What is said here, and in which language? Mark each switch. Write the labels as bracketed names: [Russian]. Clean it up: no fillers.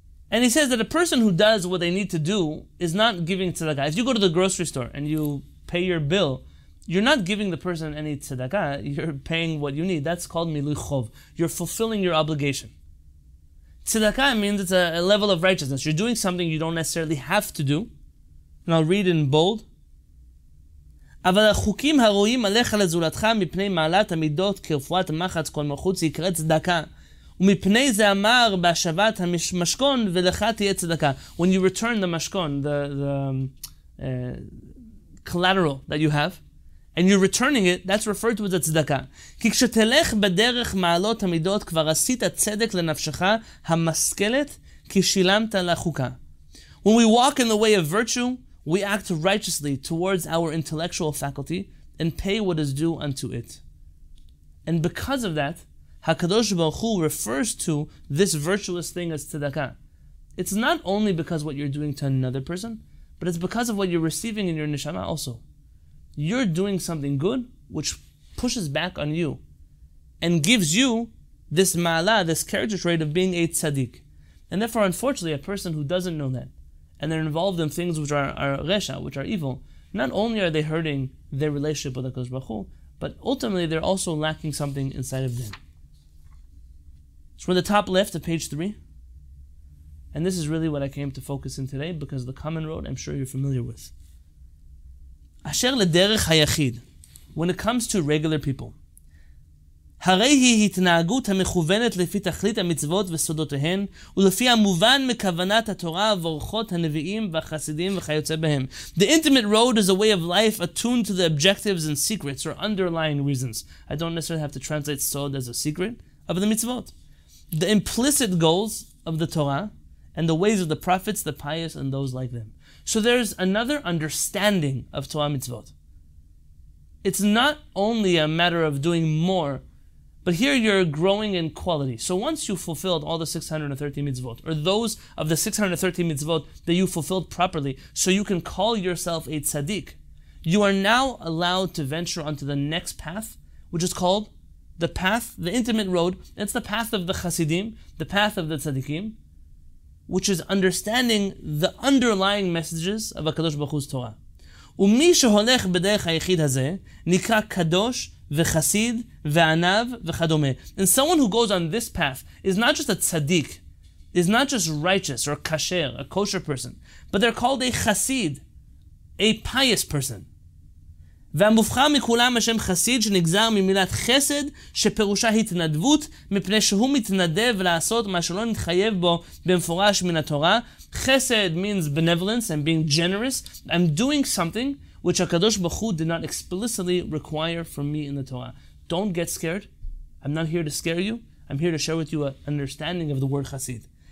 [English] And he says that a person who does what they need to do is not giving tzedakah. If you go to the grocery store and you pay your bill, you're not giving the person any tzedakah, you're paying what you need. That's called milui chov. You're fulfilling your obligation. Tzedakah means it's a level of righteousness. You're doing something you don't necessarily have to do. And I'll read in bold. [Hebrew] אבל החוקים הרואים עליך לזולתך מפני מעלת המידות כרפואת מחץ כל מחוץ יקרה צדקה. ומפני זה אמר בהשבת המשכון ולך תהיה צדקה. [English] When you return the mashkon, the collateral that you have, and you're returning it, that's referred to as a tzedakah. [Hebrew] כי כשתלך בדרך מעלות המידות כבר עשית צדק לנפשך המשכלת כי שילמת לחוקה. [English] When we walk in the way of virtue, we act righteously towards our intellectual faculty and pay what is due unto it. And because of that, HaKadosh Baruch Hu refers to this virtuous thing as tzedakah. It's not only because what you're doing to another person, but it's because of what you're receiving in your neshama also. You're doing something good, which pushes back on you and gives you this ma'ala, this character trait of being a tzaddik. And therefore, unfortunately, a person who doesn't know that and they're involved in things which are resha, which are evil, not only are they hurting their relationship with HaKadosh Baruch Hu, but ultimately they're also lacking something inside of them. So we're the top left of page 3. And this is really what I came to focus in today, because the common road I'm sure you're familiar with. [Hebrew] Asher lederech hayachid. [English] When it comes to regular people, [Hebrew] הרי היא התנהגות המכוונת לפי תכלית המצוות וסודותיהן ולפי המובן מכוונת התורה ואורחות הנביאים והחסידים וכיוצא בהם. [English] The intimate road is a way of life attuned to the objectives and secrets or underlying reasons. I don't necessarily have to translate sod as a secret, of the mitzvot. The implicit goals of the Torah and the ways of the prophets, the pious, and those like them. So there's another understanding of Torah mitzvot. It's not only a matter of doing more, but here you're growing in quality. So once you fulfilled all the 613 mitzvot, or those of the 613 mitzvot that you fulfilled properly, so you can call yourself a tzaddik, you are now allowed to venture onto the next path, which is called the path, the intimate road. It's the path of the chasidim, the path of the tzaddikim, which is understanding the underlying messages of HaKadosh Baruch Hu's Torah. [Hebrew] ומי שהולך בדרך היחיד הזה נקרא קדוש, וחסיד, וענב, וכדומה. [English] And someone who goes on this path is not just a tzaddik, is not just righteous or kasher, a kosher person, but they're called a chasid, a pious person. [Hebrew] והמובחר מכולם השם חסיד שנגזר ממילת חסד שפירושה התנדבות מפני שהוא מתנדב לעשות מה שלא נתחייב בו במפורש מן התורה. [English] Chesed means benevolence and being generous. I'm doing something which HaKadosh Baruch Hu did not explicitly require from me in the Torah. Don't get scared. I'm not here to scare you. I'm here to share with you an understanding of the word Chassid.